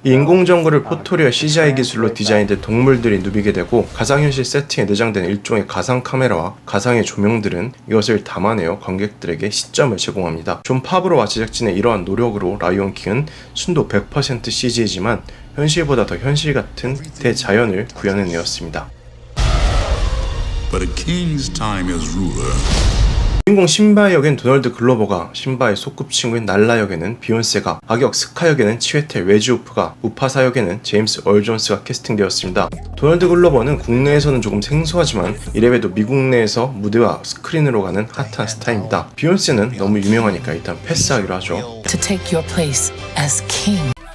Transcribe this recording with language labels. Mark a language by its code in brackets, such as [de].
[ko] 이 인공정글을 포토리와 CGI 기술로 디자인된 동물들이 누비게 되고 가상현실 세팅에 내장된 일종의 가상 카메라와 가상의 조명들은 이것을 담아내어 관객들에게 시점을 제공합니다. 존 파브로와 제작진의 이러한 노력으로 라이온킹은 순도 100% CG이지만 현실보다 더 현실 같은 대자연을 구현해내었습니다. [en] But a king's time as ruler. [ko] 주인공 심바 역엔 도널드 글로버가, 심바의 소꿉친구인 날라 역에는 비욘세가, 악역 스카 역에는 치웨텔 웨지오프가, 우파사 역에는 제임스 얼 존스가 캐스팅되었습니다. 도널드 글로버는 국내에서는 조금 생소하지만 이래봬도 미국 내에서 무대와 스크린으로 가는 핫한 스타입니다. 비욘세는 너무 유명하니까 일단 패스하기로 하죠. [en] To take your place as king.